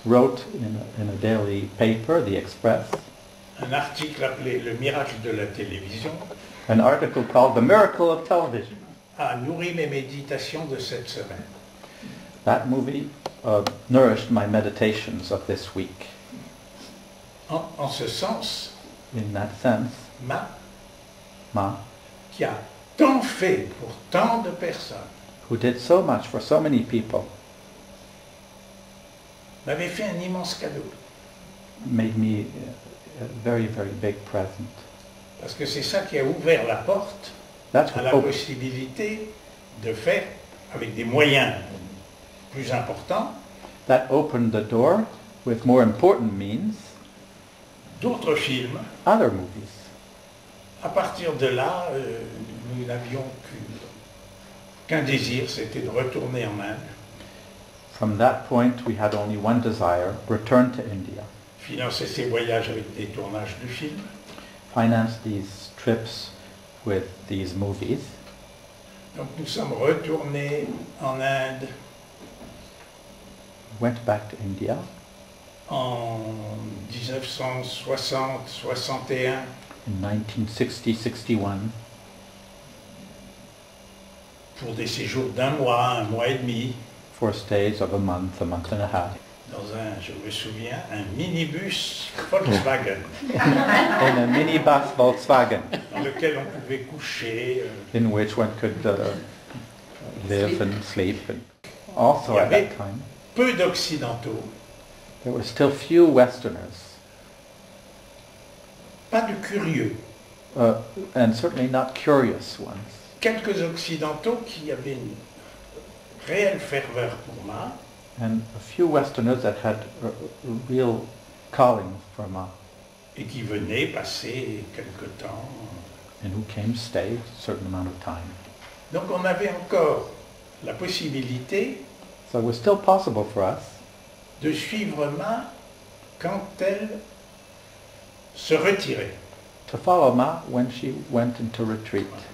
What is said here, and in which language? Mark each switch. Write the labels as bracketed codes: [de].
[en] wrote in a daily paper, The Express, [fr] un article appelé Le miracle de la télévision, [en] an article called The Miracle of Television, [fr] a nourri mes méditations de cette semaine. [en] That movie nourished my meditations of this week. [fr] En ce sens, [en] in that sense, [fr] Ma, qui a tant fait pour tant de personnes, [en] who who did so much for so many people, [fr] m'avait fait un immense cadeau. [en] Made me a very, very big present. [fr] Parce que c'est ça qui a ouvert la porte à la possibilité de faire avec des moyens plus importants. [en] That opened the door with more important means. [fr] D'autres films. [en] Other movies. [fr] À partir de là, nous n'avions qu'un désir, c'était de retourner en Inde. [en] From that point, we had only one desire: return to India. [fr] Financer ces voyages avec des tournages de films. [en] Finance these trips with these movies. [fr] Donc nous sommes retournés en Inde. [en] Went back to India. [fr] En 1960-61. [en] In 1960-61. [fr] Pour des séjours d'un mois, un mois et demi. [en] For stays of a month and a half. [fr] Dans un, je me souviens, un minibus Volkswagen. [en] In a minibus Volkswagen. [fr] Dans lequel on pouvait coucher. [en] In which one could live and sleep. And also at that time. [fr] Peu d'occidentaux. [en] There were still few Westerners. [fr] Pas de curieux. [en] And certainly not curious ones. [fr] Quelques occidentaux qui avaient une réelle ferveur pour Ma. [en] And a few Westerners that had a real calling for Ma. [fr] Et qui venaient passer quelque temps. [en] And who came stay a certain amount of time. [fr] Donc on avait encore la possibilité. [en] So it was still possible for us [fr] de suivre Ma quand elle se retirait. [en] To follow Ma when she went into retreat.